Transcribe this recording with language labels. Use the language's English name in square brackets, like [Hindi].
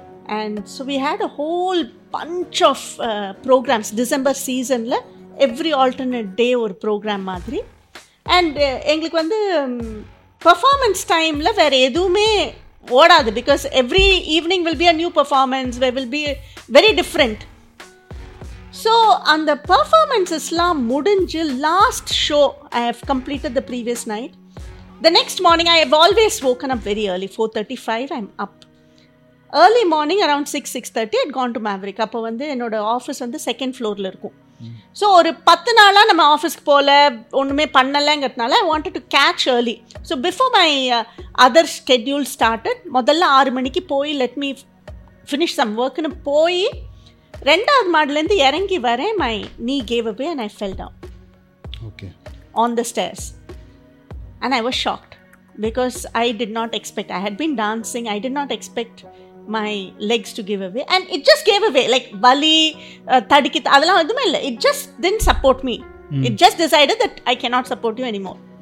[English] And so we had a whole bunch of programs December season la every alternate day or program madri and [Tamil] engalukku vandu performance time la vera edhume odadu [English] because every evening will be a new performance where will be very different. So on the performances la mudinju last show I have completed the previous night, the next morning I have always woken up very early, 4:35 I'm up. Early morning around 6:30 I had gone to Maverick. [Tamil] அப்போ வந்து என்னோட office வந்து second ஃப்ளோரில் இருக்கும். So ஒரு 10 நாளாக நம்ம ஆஃபீஸ்க்கு போகல, ஒன்றுமே பண்ணலைங்கிறதுனால [English] I wanted to catch early. So before my other schedule started, [Tamil] முதல்ல 6 மணிக்கு போய் [English] let me finish some ஒர்க்குன்னு [Tamil] போய் 2nd மாடிலேருந்து இறங்கி வரேன், [English] My knee gave up and I fell down. Okay, on the stairs and I was shocked because I did not expect, I had been dancing, I did not expect my legs to give away and it just gave away like [Tamil] vali tadikit adala eduma illa, [English] it just didn't support me. It just decided that I cannot support you anymore.